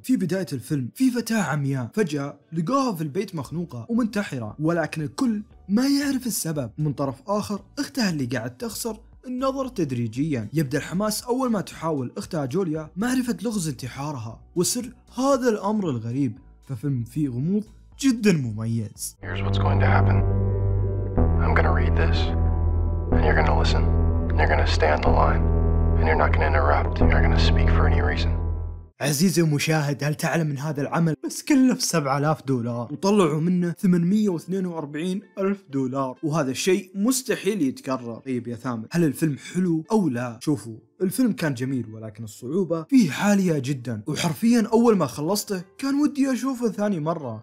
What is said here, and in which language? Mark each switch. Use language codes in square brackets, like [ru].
[ar] في بداية الفيلم في فتاة عمياء فجأة لقاها في البيت مخنوقة ومنتحرة، ولكن الكل ما يعرف السبب. من طرف آخر أختها اللي قاعد تخسر النظر تدريجيا. يبدأ الحماس أول ما تحاول أختها جوليا معرفة لغز انتحارها وسر هذا الأمر الغريب. ففيلم فيه غموض جدا مميز. [en] Here's what's going to happen. I'm gonna read this and you're gonna listen. And you're gonna stay on the line and you're not gonna interrupt. You're gonna speak for any reason. [ar] عزيزي المشاهد، هل تعلم ان هذا العمل بس كلف 7000 دولار وطلعوا منه 842 الف دولار، وهذا الشيء مستحيل يتكرر. طيب يا ثامر، هل الفيلم حلو او لا؟ شوفوا، الفيلم كان جميل ولكن الصعوبة فيه عالية جدا، وحرفيا اول ما خلصته كان ودي اشوفه ثاني مرة.